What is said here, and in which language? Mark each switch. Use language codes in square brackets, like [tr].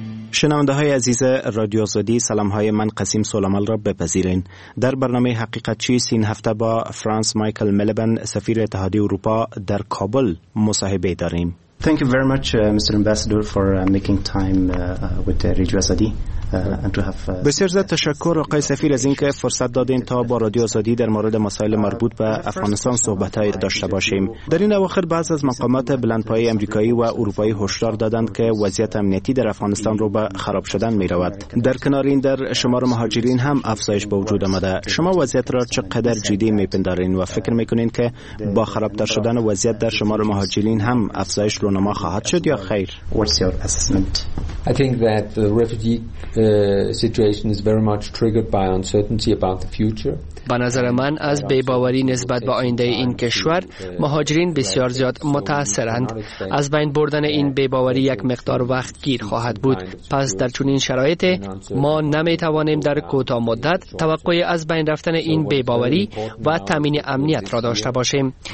[fa] شنونده های عزیز رادیو آزادی، سلام های من قسیم سلامال را بپذیرین. در برنامه حقیقت چیست این هفته با فرانس مایکل ملبن، سفیر اتحادیه اروپا در کابل مصاحبه داریم. [en] Thank you very much, Mr. Ambassador, for making time with Radio Azadi and to have. [fa] بسیار زیاد تشکر آقای سفیر از اینکه فرصت دادین تا با رادیو آزادی در مورد مسائل مربوط به افغانستان صحبت‌های داشته باشیم. در این اواخر بعض از مقامات بلندپایه آمریکایی و اروپایی هشدار دادند که وضعیت امنیتی در افغانستان رو به خراب شدن می‌رود. در کنار این، در شمار مهاجرین هم افزایش به وجود آمده. شما وضعیت را چقدر جدی می‌پندارین و فکر می‌کنین که با خرابتر شدن وضعیت در شمار مهاجرین هم افزایش رونما خواهد شد یا خیر؟ [en] What's your assessment? I think that the refugee situation is very much triggered by uncertainty about the future. [fa] به نظر من از بی‌باوری نسبت به آینده این کشور مهاجرین بسیار زیاد متاثرند. از بین بردن این بی‌باوری یک مقدار وقت گیر خواهد بود. پس در چنین شرایطی ما نمی‌توانیم در کوتاه مدت توقع از بین رفتن این بی‌باوری و تامین امنیت را داشته باشیم.